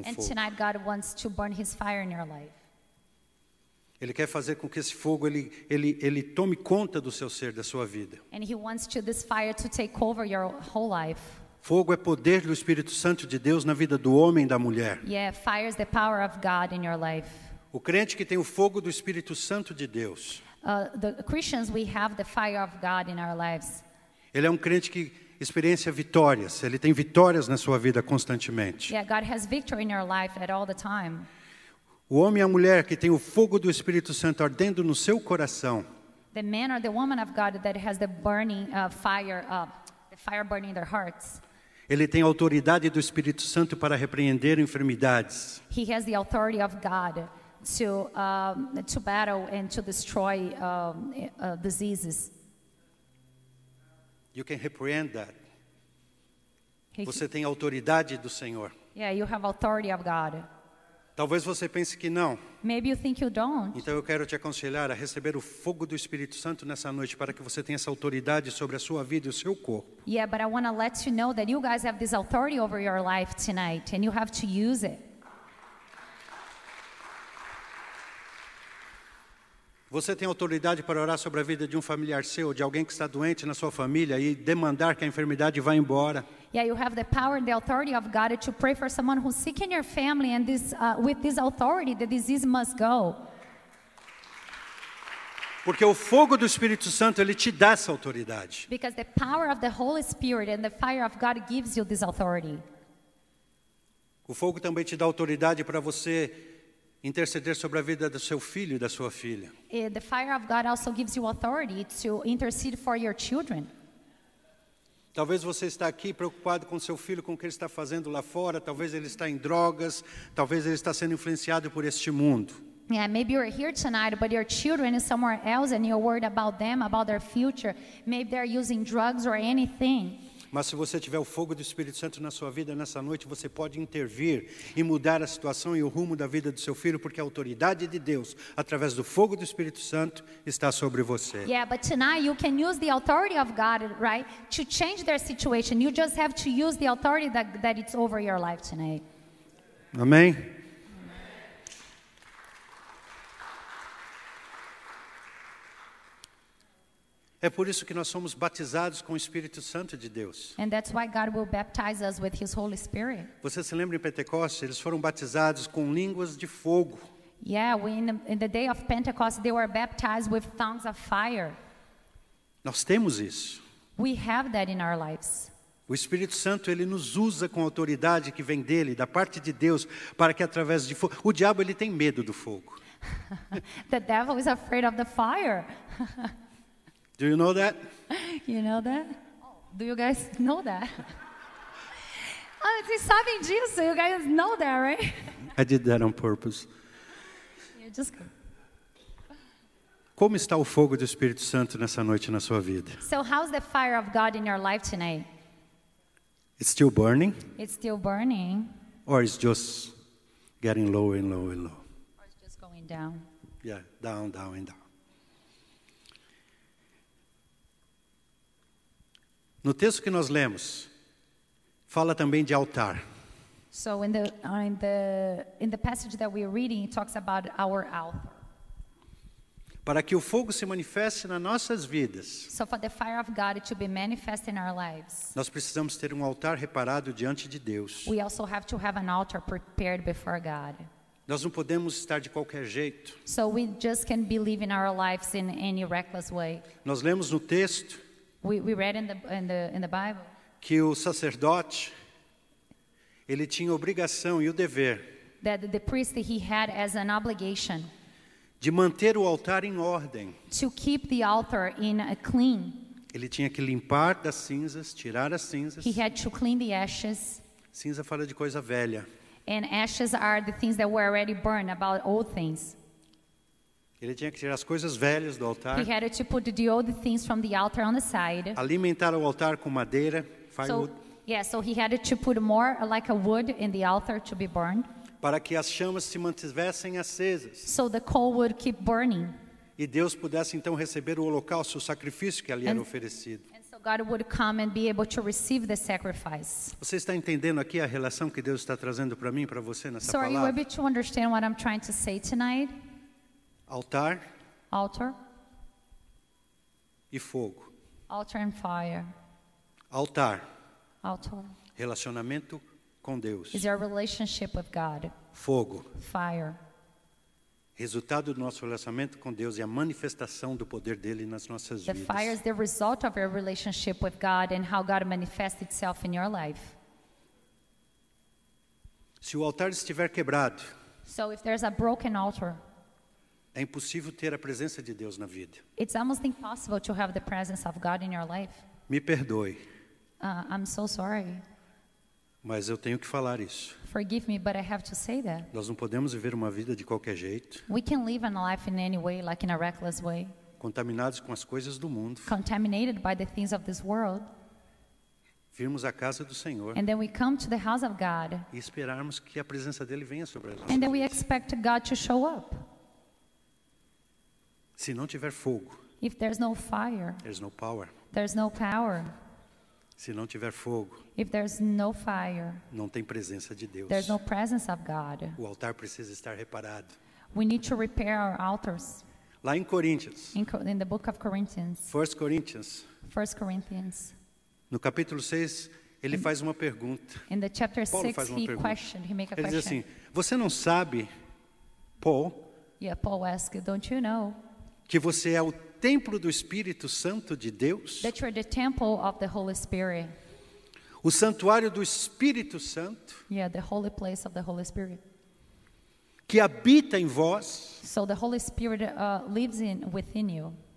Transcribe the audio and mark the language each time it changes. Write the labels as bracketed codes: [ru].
[en] and [pt] fogo. [en] And tonight God wants to burn his fire in your life. [pt] Ele quer fazer com que esse fogo ele tome conta do seu ser, da sua vida. [en] And he wants to this fire to take over your whole life. [pt] Fogo é poder do Espírito Santo de Deus na vida do homem e da mulher. [en] Yeah, fire is the power of God in your life. [pt] O crente que tem o fogo do Espírito Santo de Deus. [en] The Christians, we have the fire of God in our lives. [pt] Ele é um crente que experiencia vitórias. Ele tem vitórias na sua vida constantemente. [en] Yeah, God has victory in your life at all the time. [pt] O homem e a mulher que tem o fogo do Espírito Santo ardendo no seu coração. [en] The man or the woman of God that has the burning fire burning in their hearts. [pt] Ele tem autoridade do Espírito Santo para repreender enfermidades. [en] He has the authority of God to battle and to destroy diseases. You can reprehend that. [pt] Você tem autoridade do Senhor. [en] Yeah, you have authority of God. [pt] Talvez você pense que não. [en] Maybe you think you don't. [pt] Então eu quero te aconselhar a receber o fogo do Espírito Santo nessa noite para que você tenha essa autoridade sobre a sua vida e o seu corpo. [en] Yeah, but I want to let you know that you guys have this authority over your life tonight and you have to use it. [pt] Você tem autoridade para orar sobre a vida de um familiar seu, de alguém que está doente na sua família e demandar que a enfermidade vá embora. [en] Yeah, you have the power and the authority of God to pray for someone who's sick in your family and this with this authority the disease must go. [pt] Porque o fogo do Espírito Santo, ele te dá essa autoridade. [en] Because the power of the Holy Spirit and the fire of God gives you this authority. [pt] O fogo também te dá autoridade para você interceder sobre a vida do seu filho e da sua filha. [en] The fire of God also gives you authority to intercede for your children. [pt] Talvez você está aqui preocupado com seu filho, com o que ele está fazendo lá fora. Talvez ele está em drogas. Talvez ele está sendo influenciado por este mundo. [en] Yeah, maybe you're here tonight, but your children is somewhere else, and you're worried about them, about their future. Maybe they're using drugs or anything. [pt] Mas se você tiver o fogo do Espírito Santo na sua vida nessa noite, você pode intervir e mudar a situação e o rumo da vida do seu filho, porque a autoridade de Deus, através do fogo do Espírito Santo, está sobre você. [en] Yeah, but tonight you can use the authority of God, right, to change their situation. You just have to use the authority that it's over your life tonight. [pt] Amém. É por isso que nós somos batizados com o Espírito Santo de Deus. [en] And that's why God will baptize us with his Holy Spirit. [pt] Você se lembra em Pentecostes, eles foram batizados com línguas de fogo. [en] Yeah, in the day of Pentecost they were baptized with tongues of fire. [pt] Nós temos isso. [en] We have that in our lives. [pt] O Espírito Santo, ele nos usa com a autoridade que vem dele, da parte de Deus, para que através de fogo. O diabo, ele tem medo do fogo. [en] The devil is afraid of the fire. Do you know that? You know that? Do you guys know that? [pt] Oh, vocês sabem disso, [en] you guys know that, right? I did that on purpose. You just go. [pt] Como está o fogo do Espírito Santo nessa noite na sua vida? [en] So how's the fire of God in your life tonight? It's still burning? It's still burning. Or it's just getting lower and lower and lower? Or it's just going down. Yeah, down, down, and down. [pt] No texto que nós lemos, fala também de altar. [en] So in the passage that we're reading, it talks about our altar. [pt] Para que o fogo se manifeste nas nossas vidas. [en] So for the fire of God to be manifest in our lives. [pt] Nós precisamos ter um altar reparado diante de Deus. [en] We also have to have an altar prepared before God. [pt] Nós não podemos estar de qualquer jeito. [en] So we just can't be living our lives in any reckless way. [pt] Nós lemos no texto. [en] We read in the Bible [pt] que o sacerdote, ele tinha obrigação e o dever [en] that the priest he had as an obligation [pt] de manter o altar em ordem, [en] to keep the altar in a clean. [pt] Ele tinha que limpar das cinzas, tirar as cinzas. [en] He had to clean the ashes. [pt] Cinza fala de coisa velha. [en] And ashes are the things that were already burned, about old things. [pt] Ele tinha que tirar as coisas velhas do altar. [en] He had to put the old things from the altar on the side. [pt] Alimentar o altar com madeira, firewood. [en] So he had to put more like a wood in the altar to be burned. [pt] Para que as chamas se mantivessem acesas. [en] So the coal would keep burning. [pt] E Deus pudesse então receber o holocausto, o sacrifício que ali era oferecido. [en] And so God would come and be able to receive the sacrifice. [pt] Você está entendendo aqui a relação que Deus está trazendo para mim, para você nessa palavra? [en] So are you able to understand what I'm trying to say tonight? [pt] Altar. [en] Altar. [pt] E fogo. [en] Altar and fire. [pt] Altar. [en] Altar. [pt] Relacionamento com Deus. [en] Is your relationship with God. [pt] Fogo. [en] Fire. [pt] Resultado do nosso relacionamento com Deus e a manifestação do poder dele nas nossas vidas. [en] The fire is the result of your relationship with God and how God manifests itself in your life. [pt] Se o altar estiver quebrado. [en] So if there's a broken altar. [pt] É impossível ter a presença de Deus na vida. [en] It's almost impossible to have the presence of God in your life. [pt] Me perdoe. [en] I'm so sorry. [pt] Mas eu tenho que falar isso. [en] Forgive me, but I have to say that. [pt] Nós não podemos viver uma vida de qualquer jeito. [en] We can live a life in any way, like in a reckless way. [pt] Contaminados com as coisas do mundo. [en] Contaminated by the things of this world. [pt] Virmos à casa do Senhor. [en] And then we come to the house of God. [pt] E esperarmos que a presença dele venha sobre nós. [en] And then we expect God to show up. [pt] Se não tiver fogo. [en] If there's no fire. There's no power. There's no power. [pt] Se não tiver fogo. [en] If there's no fire. [pt] Não tem presença de Deus. [en] There's no presence of God. [pt] O altar precisa estar reparado. [en] We need to repair our altars. [pt] Lá em Coríntios. [en] In the book of Corinthians. 1 Corinthians. 1 Corinthians. [pt] No capítulo 6, ele faz uma pergunta. [en] In the chapter 6, he questioned, he make a question. [pt] Ele diz assim: "Você não sabe, Paul?" [en] Yeah, Paul asked, "Don't you know?" [pt] Que você é o templo do Espírito Santo de Deus. [en] That you are the temple of the Holy Spirit. [pt] O santuário do Espírito Santo. [en] Yeah, the holy place of the Holy Spirit. [pt] Que habita em vós. [en] So the Holy Spirit lives in within you.